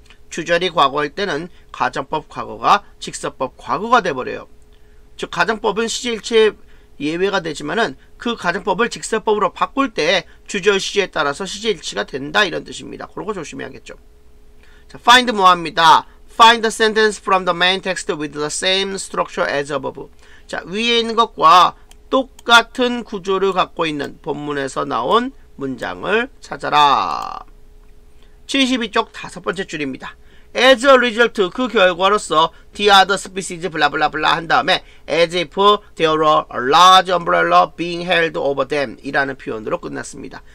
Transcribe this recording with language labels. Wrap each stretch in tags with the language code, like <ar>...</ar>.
<ko>주절이 과거일 때는 가정법 과거가 직설법 과거가 돼버려요. 즉, 가정법은 시제일체 예외가 되지만은 그 가정법을 직설법으로 바꿀 때 주절 시제에 따라서 시제일치가 된다 이런 뜻입니다. 그런 거 조심해야겠죠. 자, find 뭐 합니다?</ko> <en>Find the sentence from the main text with the same structure as above.</en> <ko>자, 위에 있는 것과 똑같은 구조를 갖고 있는 본문에서 나온 문장을 찾아라. 72쪽 다섯 번째 줄입니다.</ko> <en>As a result,</en> <ko>그 결과로서</ko> <en>the other species blah blah blah</en> <ko>한 다음에</ko> <en>as if there were a large umbrella being held over them</en> <ko>이라는 표현으로 끝났습니다.</ko>